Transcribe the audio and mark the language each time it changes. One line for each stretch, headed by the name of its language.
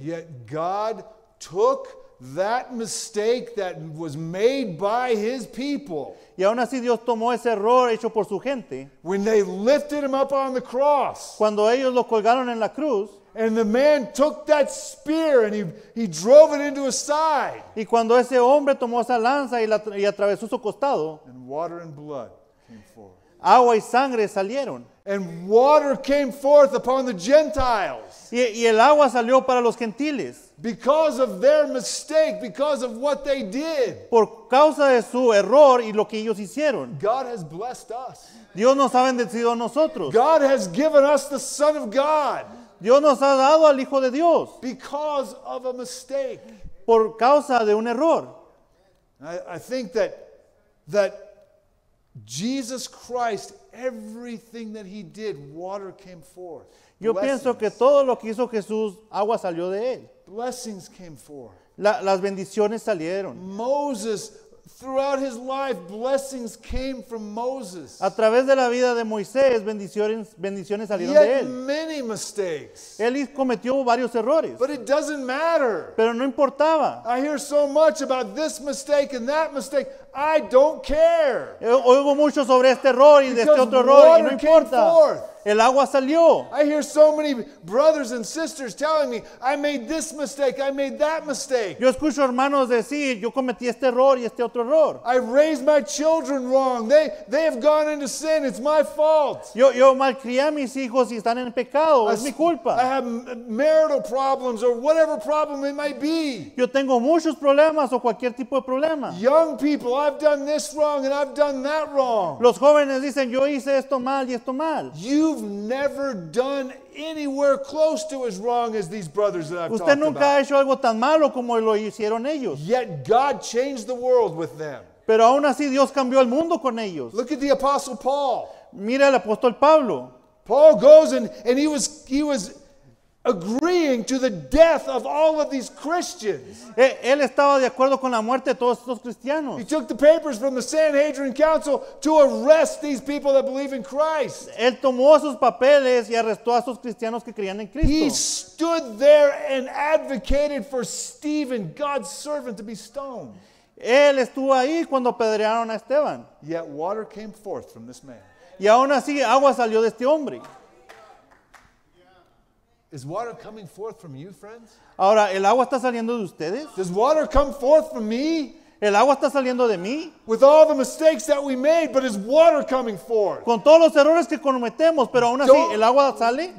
English: Yet God took that mistake that was made by his people.
Spanish: Y aún así Dios tomó ese error hecho por su gente.
English: When they lifted him up on the cross.
Spanish: Cuando ellos lo colgaron en la cruz.
English: And the man took that spear and he drove it into his side.
Spanish: Y cuando ese hombre tomó esa lanza y atravesó su costado.
English: And water and blood came forth.
Spanish: Agua y sangre salieron.
English: And water came forth upon the Gentiles.
Spanish: Y el agua salió para los gentiles.
English: Because of their mistake, because of what they did.
Spanish: Por causa de su error y lo que ellos hicieron.
English: God has blessed us.
Spanish: Dios nos ha bendecido a nosotros.
English: God has given us the Son of God.
Spanish: Dios nos ha dado al Hijo de Dios.
English: Because of a mistake.
Spanish: Por causa de un error.
English: I think that Jesus Christ, everything that he did, water came forth.
Spanish: Yo pienso que todo lo que hizo Jesús, agua salió de él.
English: Blessings came forth.
Spanish: Las bendiciones salieron.
English: Moses, throughout his life, blessings came from Moses.
Spanish: A través de la vida de Moisés, bendiciones salieron de él.
English: He had many mistakes.
Spanish: Él cometió varios errores.
English: But it doesn't matter.
Spanish: Pero no importaba.
English: I hear so much about this mistake and that mistake. I don't care.
Spanish: Oigo mucho sobre este error y de este otro error y no importa. El agua salió.
English: I hear so many brothers and sisters telling me, I made this mistake, I made that mistake.
Spanish: Yo escucho hermanos decir, yo cometí este error y este otro error.
English: I raised my children wrong. They have gone into sin. It's my fault.
Spanish: Yo malcrié a mis hijos y están en pecado. Es mi culpa.
English: I have marital problems or whatever problem it might be.
Spanish: Yo tengo muchos problemas o cualquier tipo de problema.
English: Young people, I've done this wrong and I've done that wrong.
Spanish: Los jóvenes dicen, yo hice esto mal y esto mal.
English: You've never done anywhere close to as wrong as these brothers that I've talked about.
Spanish: Usted nunca ha hecho algo tan malo como lo hicieron ellos.
English: Yet God changed the world with them.
Spanish: Pero aún así Dios cambió el mundo con ellos.
English: Look at the Apostle Paul.
Spanish: Mira al apóstol Pablo.
English: Paul goes and he was agreeing to the death of all of these Christians.
Spanish: Él estaba de acuerdo con la muerte de todos estos cristianos.
English: He took the papers from the Sanhedrin council to arrest these people that believe in Christ.
Spanish: Él tomó sus papeles y arrestó a estos cristianos que creían en Cristo.
English: He stood there and advocated for Stephen, God's servant, to be stoned.
Spanish: Él estuvo ahí cuando apedrearon a Esteban.
English: Yet water came forth from this man.
Spanish: Y aún así agua salió de este hombre.
English: Is water coming forth from you, friends?
Spanish: Ahora, ¿el agua está saliendo de ustedes?
English: Does water come forth from me?
Spanish: El agua está saliendo de mí.
English: With all the mistakes that we made, but is water coming forth?
Spanish: Con todos los errores que cometemos, pero aún así el agua sale.